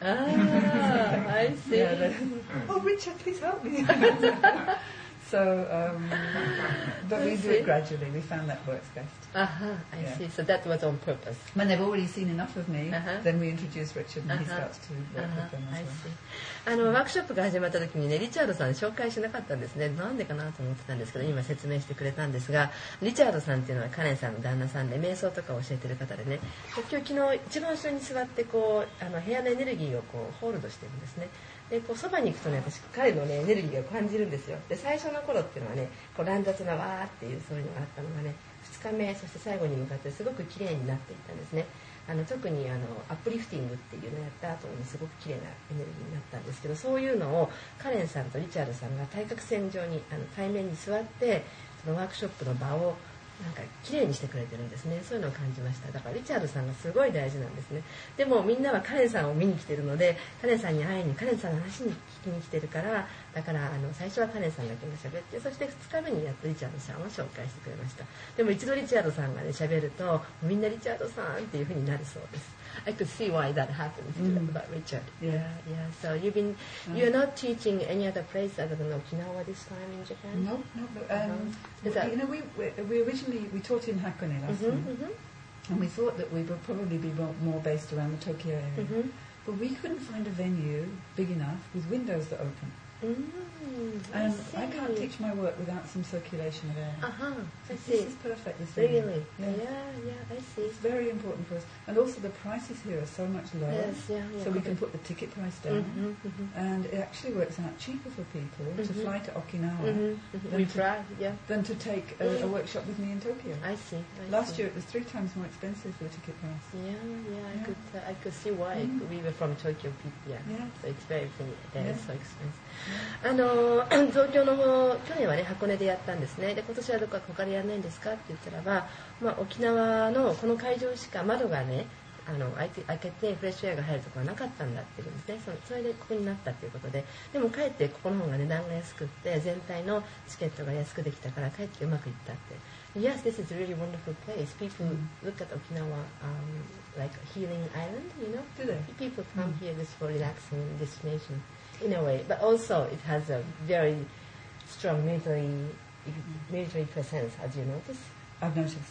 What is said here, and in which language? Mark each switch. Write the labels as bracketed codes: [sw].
[en] Ah, I see. Yeah, oh, Richard, please help me. So, but we do it gradually. We found that works best. I see. So that was on purpose. When they've already seen enough of me, then we introduce Richard and he starts to work with them as well. [ja] ワークショップが始まった時にね、リチャードさん紹介しなかったんですね。なんでかなと思ってたんですけど、今説明してくれたんですが、リチャードさんっていうのはカレンさんの旦那さんで、瞑想とかを教えてる方でね、今日昨日一番後ろに座ってこう部屋のエネルギーをこうホールドしてるんですね。でこうそばに行くとね、私彼の、ね、エネルギーを感じるんですよ。で最初の頃っていうのはね、こう乱雑なわーっていうそういうのがあったのがね、2日目そして最後に向かってすごく綺麗になっていったんですね。特にアップリフティングっていうのをやった後にすごく綺麗なエネルギーになったんですけど、そういうのをカレンさんとリチャードさんが対角線上に対面に座ってそのワークショップの場をなんか綺麗にしてくれてるんですね。そういうのを感じました。だからリチャードさんがすごい大事なんですね。でもみんなはカレンさんを見に来てるので、カレンさんに会いにカレンさんの話に聞きに来てるから、だから最初はカレンさんだけが喋って、そして2日目にやっとリチャードさんを紹介してくれました。でも一度リチャードさんがね喋るとみんなリチャードさんっていう風になるそうです。 [en] I could see why that happens about Richard. So you're not teaching any other place other than Okinawa this time in Japan? No, no, but we taught in Hakone last time, and we thought that we would probably be more based around the Tokyo area, but we couldn't find a venue big enough with windows that open. And I can't teach my work without some circulation of air. This is perfect. This really, I see. It's very important for us. And also, the prices here are so much lower, we can put the ticket price down, and it actually works out cheaper for people to fly to Okinawa than to take a workshop with me in Tokyo. Last year, it was three times more expensive for the ticket price. I could see why we were from Tokyo people. So it's very expensive. [ja] 東京の方、去年は、ね、箱根でやったんですね。で今年はどこか他でやらないんですかって言ったらば、まあ、沖縄のこの会場しか窓が、ね、開けてフレッシュエアが入るところはなかったんだって言うんですね。それでここになったということで、でもかえってここの方が値段が安くって全体のチケットが安くできたからかえってうまくいったって。 [en] Yes, this is a really wonderful place. People look at Okinawa、like a healing island, you know? Do they? People come here just for relaxing destination. In a way, but also it has a very strong military presence, as you notice. I've noticed.